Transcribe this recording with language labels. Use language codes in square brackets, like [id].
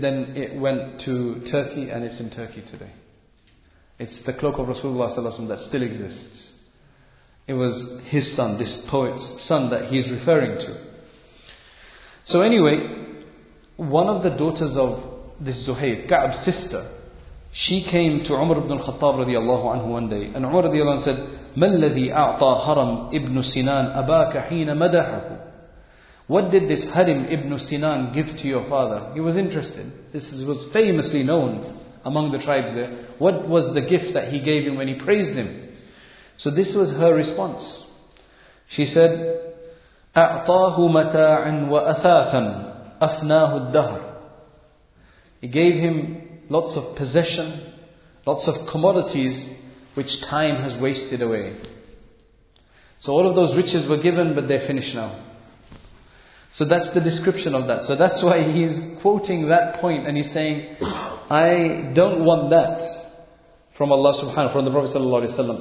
[en] Then it went to Turkey and it's in Turkey today. It's the cloak of Rasulullah sallallahu alaihi wasallam that still exists. It was his son, this poet's son that he's referring to. So anyway, one of the daughters of this Zuhayr, Ka'b's sister, she came to Umar ibn al-Khattab radiallahu anhu one day. And Umar radiallahu anhu said, [ar] مَلَّذِي أَعْطَى هَرَمْ ابْنُ سِنَانَ أَبَاكَ حِينَ مَدَحَهُ. [en] What did this Harim ibn Sinan give to your father? He was interested. This was famously known among the tribes there. What was the gift that he gave him when he praised him? So this was her response. She said, [ar] أَعْطَاهُ مَتَاعًا وَأَثَاثًا أَفْنَاهُ الدَّهْرِ. [en] He gave him lots of possession, lots of commodities which time has wasted away. So all of those riches were given but they're finished now. So that's the description of that. So that's why he's quoting that point and he's saying, I don't want that from Allah subhanahu wa ta'ala, from the Prophet sallallahu alaihi wasallam.